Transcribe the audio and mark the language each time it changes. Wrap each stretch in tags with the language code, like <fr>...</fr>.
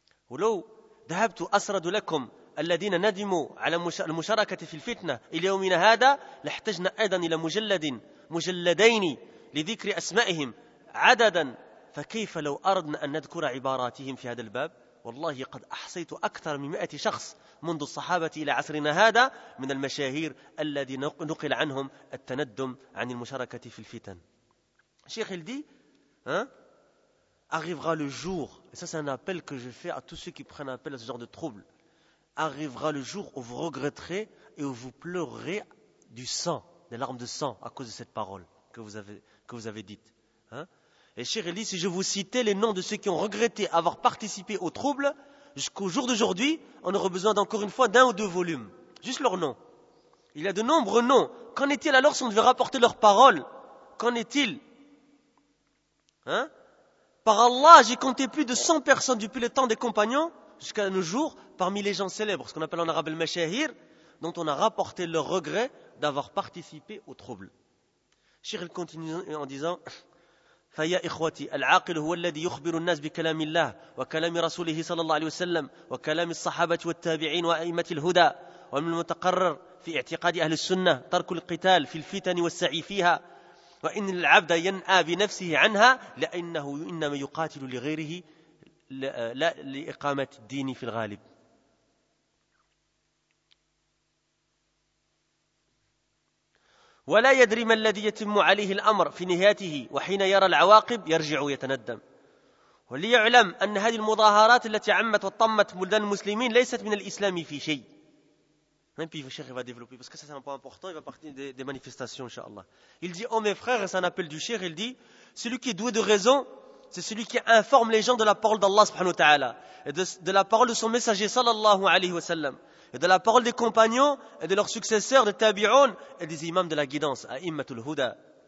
<ar>Oulou, dahabtu asradu lakum. » الذين ندموا على المشاركة في الفتنة إلى يومنا هذا لاحتجنا أيضا إلى مجلدين لذكر أسمائهم عددا فكيف لو أردنا أن نذكر عباراتهم في هذا الباب والله قد أحصيت أكثر من 100 شخص منذ الصحابة إلى عصرنا هذا من المشاهير الذي نقل عنهم التندم عن المشاركة في الفتن. شيخ الدي</ar> <fr>arrivera le jour, et ça c'est un appel que je fais à tous ceux qui prennent appel à ce genre de trouble. Arrivera le jour où vous regretterez et où vous pleurerez du sang, des larmes de sang à cause de cette parole que vous avez dite. Hein? Et Cheikh il dit, si je vous citais les noms de ceux qui ont regretté avoir participé au trouble, jusqu'au jour d'aujourd'hui, on aurait besoin d'encore une fois d'un ou deux volumes. Juste leurs noms. Il y a de nombreux noms. Qu'en est-il alors si on devait rapporter leurs paroles? Qu'en est-il? Hein? Par Allah, j'ai compté plus de 100 personnes depuis le temps des compagnons. Jusqu'à nos jours, parmi les gens célèbres, ce qu'on appelle en arabe le mashahir, dont on a rapporté le regret d'avoir participé au trouble. Cheikh continue en disant:</fr> <ar>فيا إخوتي العاقل هو الذي يخبر الناس بكلام الله وكلام رسوله صلى الله عليه وسلم وكلام الصحابة والتابعين وأئمة الهدى ومن المتقرر في اعتقاد أهل السنة ترك القتال في الفتن والسعي فيها وإن العبد ينأى بنفسه عنها لأنه إنما يقاتل لغيره لا لإقامة الدين في الغالب. ولا يدري ما الذي يتم عليه الأمر في نهايته وحين يرى العواقب يرجع يتندم. وليعلم أن هذه المظاهرات التي عمت وطمت بلدان المسلمين ليست من الإسلام في شيء.</ar> <fr>Même puis le cheikh va développer parce que ça c'est un point important, il va partir des manifestations inshallah. Il dit: oh mes frères, c'est un appel du cheikh, il dit: celui qui est doué de raison, c'est celui qui informe les gens de la parole d'Allah subhanahu wa ta'ala, et de la parole de son messager sallallahu alayhi wa sallam, et de la parole des compagnons et de leurs successeurs, des tabi'un et des imams de la guidance,</fr> <ar>a'immatul huda.</ar>